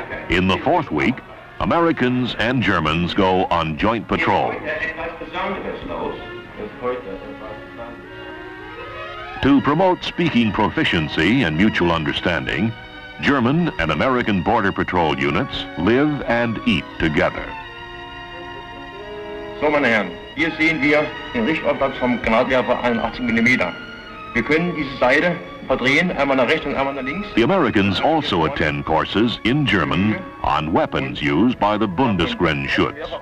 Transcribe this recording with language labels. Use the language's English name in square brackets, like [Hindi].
[English] In the fourth week, Americans and Germans go on joint patrol. To promote speaking proficiency and mutual understanding, German and American Border Patrol units live and eat together. [German] So, meine Herren, hier sehen wir den Richtaufsatz vom Granatwerfer 81 mm. Wir können diese Seite verdrehen, einmal nach rechts und einmal nach links. [English] The Americans also attend courses in German on weapons used by the Bundesgrenzschutz.